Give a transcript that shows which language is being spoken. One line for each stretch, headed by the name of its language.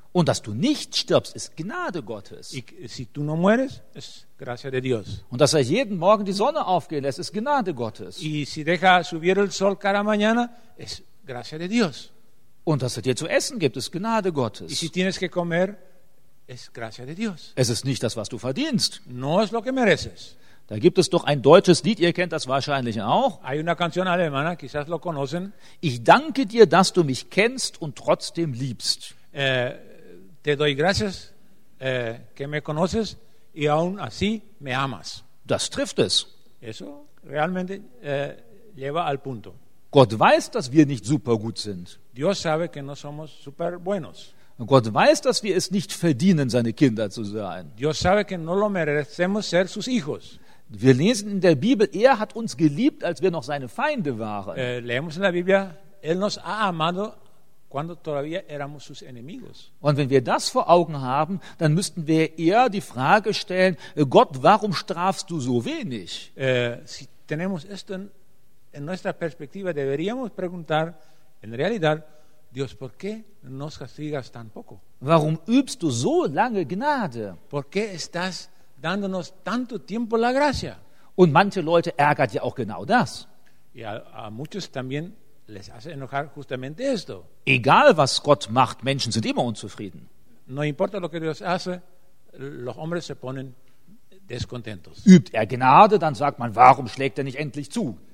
German: Und dass du nicht stirbst, ist Gnade Gottes.
Spanish: Si tú no mueres, es gracia de Dios.
German: Und dass er jeden Morgen die Sonne aufgehen lässt, ist Gnade Gottes.
Spanish: Y si deja subir el sol cada mañana, es gracia de Dios.
German: Und dass er dir zu essen gibt, ist Gnade Gottes.
Spanish: Y si tienes que comer, es gracia de Dios.
German: Es ist nicht das, was du verdienst.
Spanish: No es lo que mereces.
German: Da gibt es doch ein deutsches Lied, ihr kennt das wahrscheinlich auch.
Spanish: Hay una canción alemana, quizás lo conocen.
German: Ich danke dir, dass du mich kennst und trotzdem liebst.
Spanish: Te doy gracias que me conoces y aún así me amas.
German: Das trifft es.
Spanish: Eso realmente lleva al punto.
German: Gott weiß, dass wir nicht super gut sind.
Spanish: Dios sabe que no somos super buenos.
German: Gott weiß, dass wir es nicht verdienen, seine Kinder zu sein.
Spanish: Dios sabe que no lo merecemos ser sus hijos.
German: Wir lesen in der Bibel, er hat uns geliebt, als wir noch seine Feinde waren.
Spanish: Leemos en la Biblia, él nos ha amado cuando todavía éramos sus enemigos.
German: Und wenn wir das vor Augen haben, dann müssten wir eher die Frage stellen, Gott, warum strafst du so wenig?
Spanish: Si tenemos esto en nuestra perspectiva, deberíamos preguntar, en realidad, Dios, ¿por qué nos castigas tan poco?
German: Warum übst du so lange Gnade?
Spanish: ¿Por qué estás dándonos tanto tiempo la gracia?
German: Und manche Leute ärgert ja auch genau das.
Spanish: Y a muchos también les hace enojar justamente esto.
German: Egal was Gott macht, Menschen sind immer unzufrieden.
Spanish: No importa lo que Dios hace, los hombres se ponen descontentos.
German: Übt er Gnade, dann sagt man, warum schlägt er nicht endlich zu?